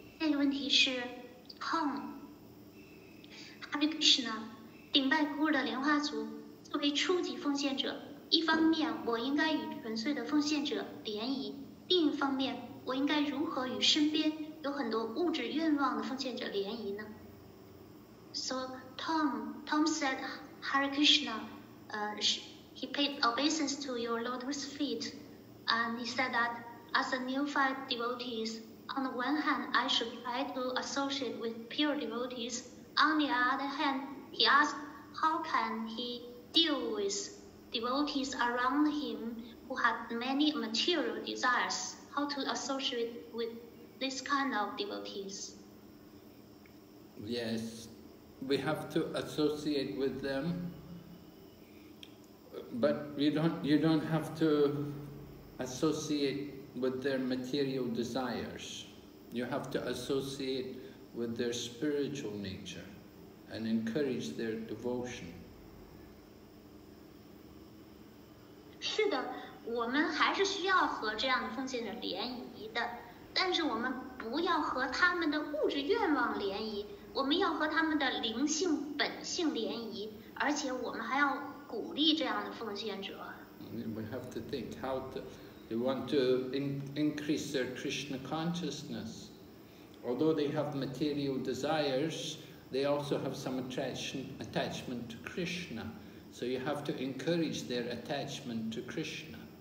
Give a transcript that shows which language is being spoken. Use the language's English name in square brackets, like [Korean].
[Chinese] 下一个问题是 Tom, Hare Krishna, 顶拜孤儿的莲花族，作为初级奉献者，一方面我应该与纯粹的奉献者联谊，另一方面我应该如何与身边有很多物质愿望的奉献者联谊呢？ [English] So Tom said Hare Krishna, he paid obeisance to your lotus feet, and he said that as a neophyte devotees, on the one hand I should try to associate with pure devotees, on the other hand he asked how can he deal with devotees around him who have many material desires, how to associate with this kind of devotees. Yes, we have to associate with them, but you don't have to associate with their material desires. You have to associate with their spiritual nature and encourage their devotion. [Chinese] 是的，我们还是需要和这样的奉献者联谊的，但是我们不要和他们的物质愿望联谊，我们要和他们的灵性本性联谊，而且我们还要鼓励这样的奉献者。 [English] We have to think how to, they want to increase their Krishna consciousness. Although they have material desires, they also have some attachment to Krishna. So you have to encourage their attachment to Krishna.